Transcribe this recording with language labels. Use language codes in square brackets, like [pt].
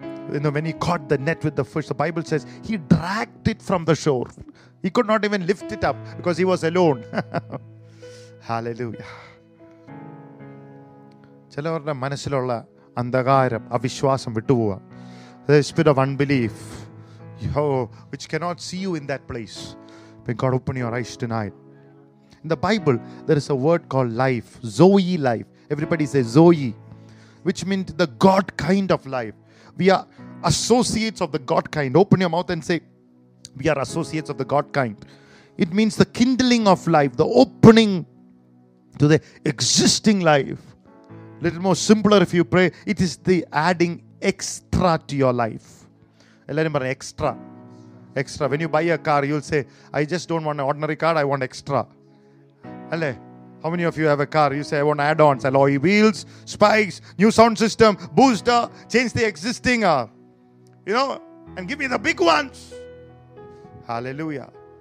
[en] when he caught the net with the fish, the Bible says he dragged it from the shore. He could not even lift it up because he was alone. Hallelujah. [ml] ചിലവരുടെ മനസ്സിലുള്ള അന്ധകാരം, അവിശ്വാസം വിട്ടുപോവുക. [en] Spirit of unbelief, ho which cannot see you in that place. God open your eyes tonight. In the Bible there is a word call life, zoe life. Everybody say zoe, which means the God kind of life. We are associates of the God kind. Open your mouth and say, we are associates of the God kind. It means the kindling of life, the opening to the existing life. Little more simpler, if you pray, it is the adding extra to your life. Extra. Extra. When you buy a car, you'll say, I just don't want an ordinary car, I want extra. How many of you have a car? You say, I want add-ons, alloy wheels, spikes, new sound system, booster, change the existing, and give me the big ones. Hallelujah.